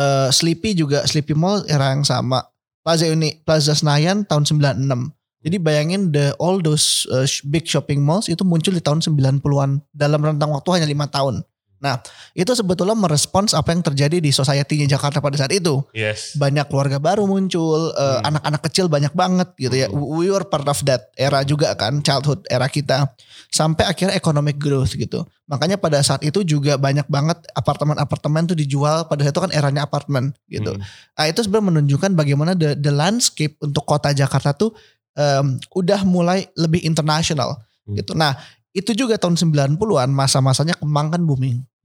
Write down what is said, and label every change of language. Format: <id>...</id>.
<id>Sleepy juga, Sleepy Mall era yang sama. Plaza Senayan tahun 96. Jadi bayangin</id> <en>all those big shopping malls</en> <id>itu muncul di tahun 90-an dalam rentang waktu hanya 5 tahun. Nah, itu sebetulnya merespons apa yang terjadi di society-nya Jakarta pada saat itu. Yes. Banyak keluarga baru muncul, anak-anak kecil banyak banget gitu ya.</id> <en>We were part of that era</en> <id>juga kan,</id> <en>childhood era kita.</en> <id>Sampai akhirnya economic growth gitu. Makanya pada saat itu juga banyak banget apartemen-apartemen tuh dijual, pada saat itu kan eranya apartemen gitu. Nah, itu sebenarnya menunjukkan bagaimana the landscape untuk kota Jakarta tuh udah mulai lebih internasional gitu. Nah, itu juga tahun 90-an masa-masanya Kemang kan booming.</id>